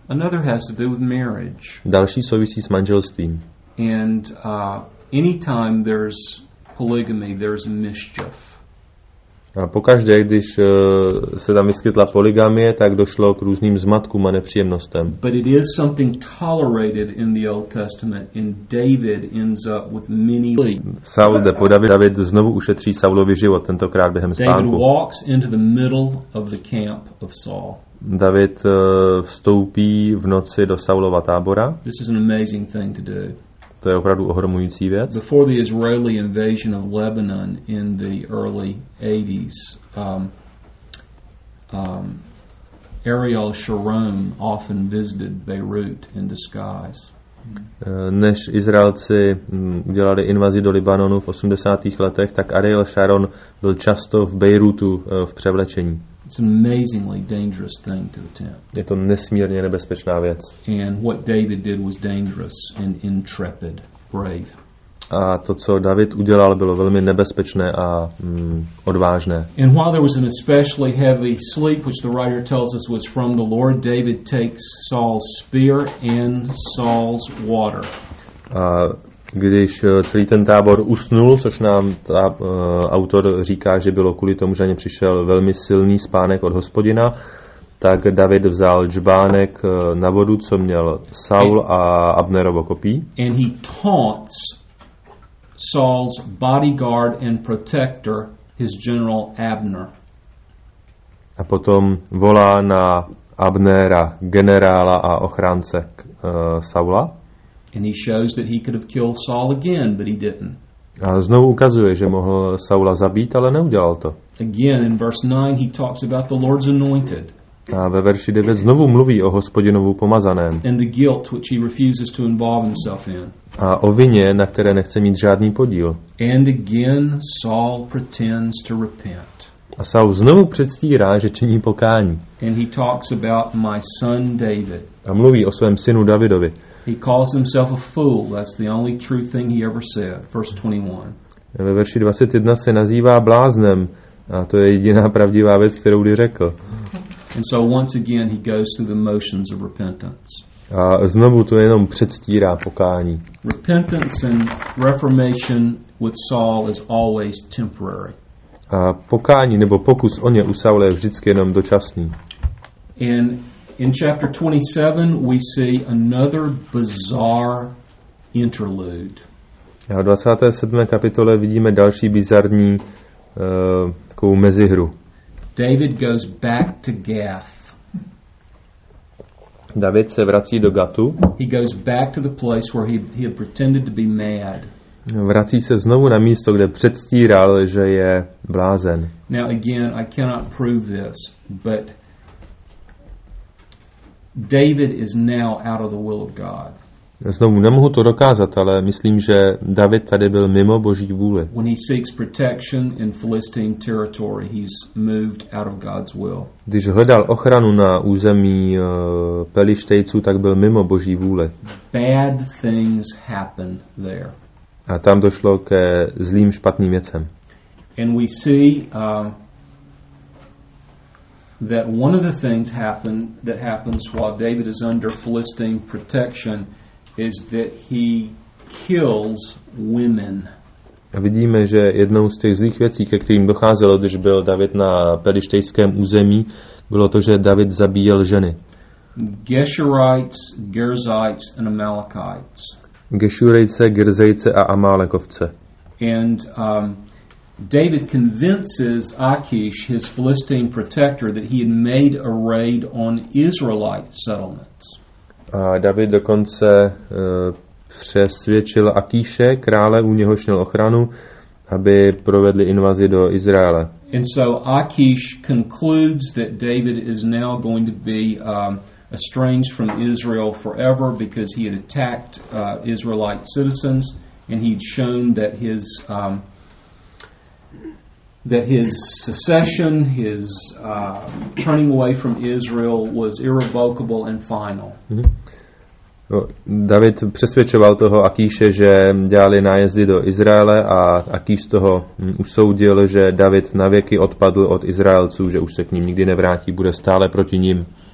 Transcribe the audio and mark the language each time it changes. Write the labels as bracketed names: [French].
[English] Another has to do with marriage. [Czech] Další souvisí s manželstvím. [English] And anytime there's polygamy, there's mischief. [Czech] A pokaždé, když se tam vyskytla polygamie, tak došlo k různým zmatkům a nepříjemnostem. [English] But it is something tolerated in the Old Testament and David ends up with many. [Czech] Saul jde po Davidu, David znovu ušetří Saulovi život, tentokrát během spánku. [English] David walks into the middle of the camp of Saul. [Czech] David vstoupí v noci do Saulova tábora. [English] This is an amazing thing to do. [Czech] To je opravdu ohromující věc. [English] Before the Israeli invasion of Lebanon in the early 80s, Ariel Sharon often visited Beirut in disguise. [Czech] Než Izraelci udělali invazi do Libanonu v 80. letech, tak Ariel Sharon byl často v Bejrutu v převlečení. [English] It's an amazingly dangerous thing to attempt. [Czech] Je to nesmírně nebezpečná věc. [English] And what David did was dangerous and intrepid, brave. [Czech] A to, co David udělal, bylo velmi nebezpečné a odvážné. [English] And while there was an especially heavy sleep, which the writer tells us was from the Lord, David takes Saul's spear and Saul's water. [Czech] Když celý ten tábor usnul, což nám autor říká, že bylo kvůli tomu, že na ně přišel velmi silný spánek od Hospodina, tak David vzal džbánek na vodu, co měl Saul a Abnerovo kopí. [English] And he taunts Saul's bodyguard and protector, his general Abner. [Czech] A potom volá na Abnera, generála a ochránce Saula. [English] And he shows that he could have killed Saul again, but he didn't. [Czech] A znovu ukazuje, že mohl Saula zabít, ale neudělal to. [English] Again in verse 9 he talks about the Lord's anointed. [Czech] A ve verši 9 znovu mluví o Hospodinovu pomazaném. [English] And the guilt which he refuses to involve himself in. [Czech] A o vině, na které nechce mít žádný podíl. [English] And again Saul pretends to repent. [Czech] A Saul znovu předstírá, že činí pokání. [English] And he talks about my son David. [Czech] A mluví o svém synu Davidovi. [English] He calls himself a fool. That's the only true thing he ever said. Verse 21. [Czech] Ve verši 21 se nazývá bláznem, a to je jediná pravdivá věc, kterou kdy řekl. [English] And so once again he goes through the motions of repentance. [Czech] A znovu to jenom předstírá pokání. [English] Repentance and reformation with Saul is always temporary. [Czech] A pokání nebo pokus o ně u Saula je vždycky jenom dočasný. [English] And in chapter 27 we see another bizarre interlude. [Czech] A v 27. kapitole vidíme další bizarní takovou mezihru. [English] David goes back to Gath. [Czech] David se vrací do Gatu. [English] He goes back to the place where he had pretended to be mad. [Czech] Vrací se znovu na místo, kde předstíral, že je blázen. [English] Now again, I cannot prove this, but David is now out of the will of God. [Czech] Znovu nemohu to dokázat, ale myslím, že David tady byl mimo Boží vůli. [English] When he seeks protection in Philistine territory, he's moved out of God's will. [Czech] Když hledal ochranu na území Pelištejců, tak byl mimo Boží vůli. [English] Bad things happen there. [Czech] A tam došlo ke zlým špatným věcem. [English] And we see that one of the things that happens while David is under Philistine protection is that he kills women. [Czech] A vidíme, že jednou z těch zlých věcí, ke kterým docházelo, když byl David na pelištejském území, bylo to, že David zabíjel ženy. [English] Geshurites, Gerzites and Amalekites. [Czech] Geshurejce, Gerzejce a Amalekovce. [English] And David convinces Achish, his Philistine protector, that he had made a raid on Israelite settlements. [Czech] A David dokonce přesvědčil Achíše, krále, u něhož měl ochranu, aby provedli invazi do Izraele. [English] And so Achish concludes that David is now going to be estranged from Israel forever because he had attacked Israelite citizens and he'd shown that his secession, his turning away from Israel was irrevocable and final. [Czech] David přesvědčoval toho Achíše, že dělali nájezdy do Izraele a Achíš z toho usoudil, že David navěky odpadl od Izraelců, že už se k ním nikdy nevrátí, bude stále proti ním.